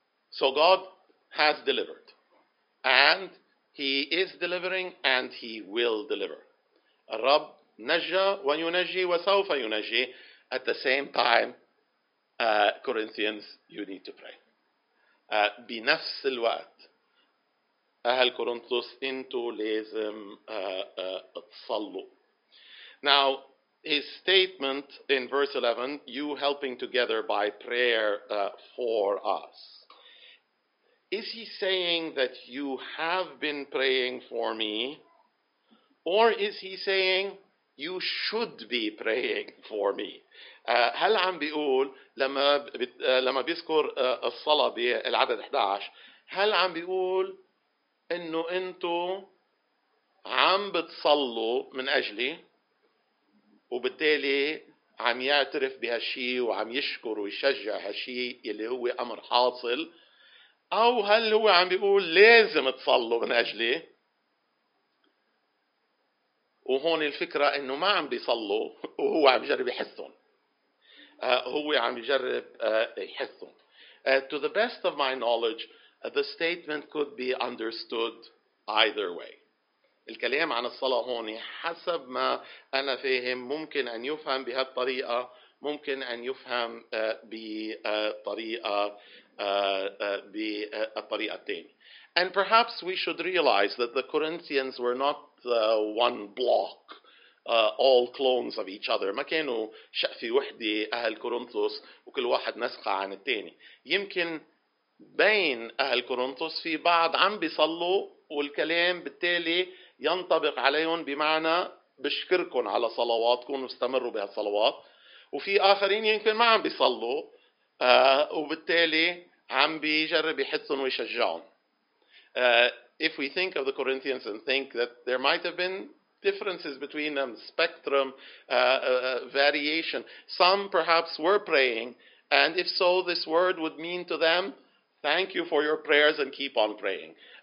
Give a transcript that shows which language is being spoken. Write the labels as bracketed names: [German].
[English] So God has delivered, and he is delivering, and he will deliver. [Arabic] الرب نجى وينجي وسوف ينجي. [English] At the same time, Corinthians, you need to pray. [Arabic] بنفس الوقت أهل كورنثوس أنتوا لازم تصلوا. [English] Now, his statement in verse 11, you helping together by prayer for us. Is he saying that you have been praying for me? Or is he saying you should be praying for me? [Arabic] هل عم بيقول لما بيذكر الصلاة بالعدد 11، هل عم بيقول إنه أنتوا عم بتصلوا من أجلي، وبالتالي عم يعترف بهالشي وعم يشكر ويشجع هالشي اللي هو أمر حاصل، أو هل هو عم بيقول لازم تصلوا من أجلي وهون الفكرة إنه ما عم بيصلوا وهو عم يجرب يحسهم. هو عم يجرب يحسهم. [English] To the best of my knowledge, the statement could be understood either way. [Arabic] الكلام عن الصلاة هون حسب ما أنا فاهم ممكن أن يفهم بهالطريقة، ممكن أن يفهم بطريقة بالطريقة الثانية. [English] And perhaps we should realize that the Corinthians were not one block, all clones of each other. [Arabic] ما كانوا شقفة وحدة أهل كورنثوس وكل واحد نسخة عن الثاني. يمكن بين أهل كورنثوس في بعض عم بيصلوا والكلام بالتالي ينطبق عليهم بمعنى بشكركن على صلواتكن واستمروا بهالصلوات، وفي آخرين يمكن ما عم بيصلوا وبالتالي عم بيجرب يحثن ويشجعن. [English] If we think of the Corinthians and think that there might have been differences between them, spectrum, variation, some perhaps were praying, and if so, this word would mean to them, thank you for your prayers and keep on praying.